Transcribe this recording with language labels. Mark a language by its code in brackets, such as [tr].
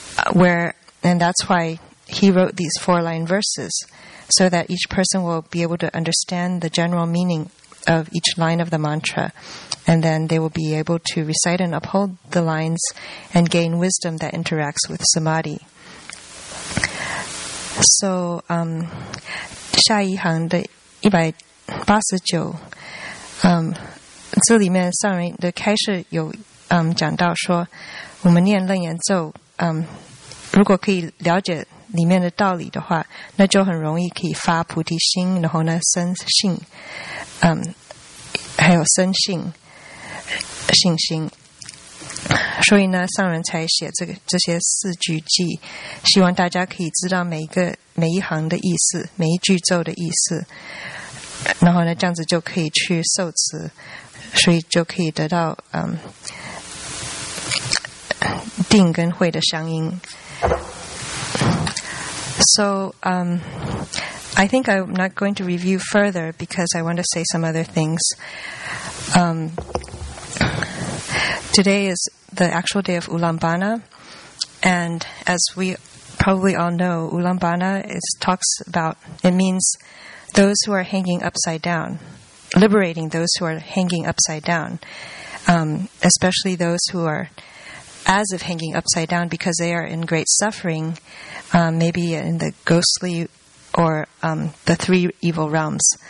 [en] And that's why he wrote these four-line verses, so that each person will be able to understand the general meaning of each line of the mantra, and then they will be able to recite and uphold the lines and gain wisdom that interacts with samadhi. [zh] So, 下一行的189, 这里面上面的开始有讲到说, 我们念楞严咒, 如果可以了解里面的道理的话, 那就很容易可以发菩提心, 然后呢生信, 还有生信心, 所以呢上人才写这些四句偈, 希望大家可以知道每一行的意思, 每一句咒的意思, 然后呢, 这样子就可以去受持, 所以就可以得到, 定跟慧的相应. [en] So, I think I'm not going to review further because I want to say some other things. Today is the actual day of Ulambana, and as we probably all know, Ulambana means those who are hanging upside down, liberating those who are hanging upside down, especially those who are as if hanging upside down because they are in great suffering, maybe in the ghostly or the three evil realms.